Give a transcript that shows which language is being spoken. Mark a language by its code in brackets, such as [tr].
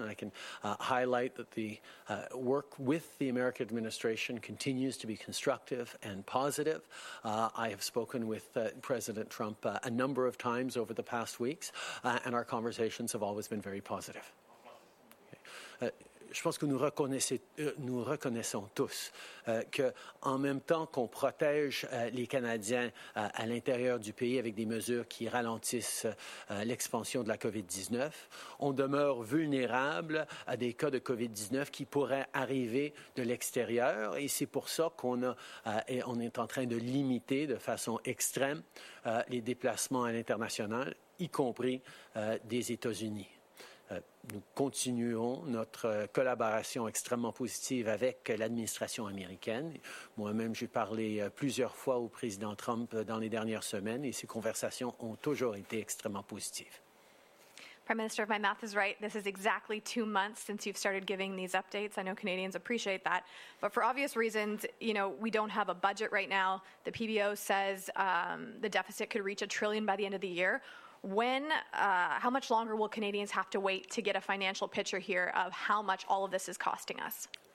[en] And I can highlight that the work with the American administration continues to be constructive and positive. I have spoken with President Trump a number of times over the past weeks, and our conversations have always been very positive. [fr] Je pense que nous reconnaissons tous qu'en même temps qu'on protège les Canadiens à l'intérieur du pays avec des mesures qui ralentissent l'expansion de la COVID-19, on demeure vulnérable à des cas de COVID-19 qui pourraient arriver de l'extérieur. Et c'est pour ça qu'on est en train de limiter de façon extrême les déplacements à l'international, y compris des États-Unis. Nous continuons notre collaboration extrêmement positive avec l'administration américaine. Moi-même, j'ai parlé plusieurs fois au président Trump dans les dernières semaines et ces conversations ont toujours été extrêmement positives. [en] Prime Minister, if my math is right, this is exactly 2 months since you've started giving these updates. I know Canadians appreciate that. But for obvious reasons, you know, we don't have a budget right now. The PBO says the deficit could reach $1 trillion by the end of the year. When, how much longer will Canadians have to wait to get a financial picture here of how much all of this is costing us?